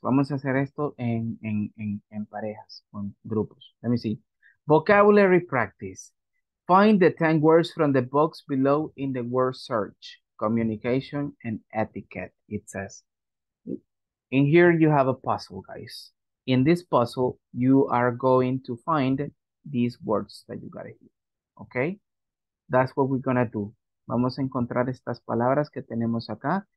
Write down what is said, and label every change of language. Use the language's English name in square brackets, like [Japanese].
[Spanish] Vamos a hacer esto en parejas, en grupos. [English] Let me see. Vocabulary practice. Find the 10 words from the box below in the word search. Communication and etiquette, it says. And here you have a puzzle, guys. In this puzzle, you are going to find these words that you got here. Okay? That's what we're going to do. [Spanish] Vamos a encontrar estas palabras que tenemos acá.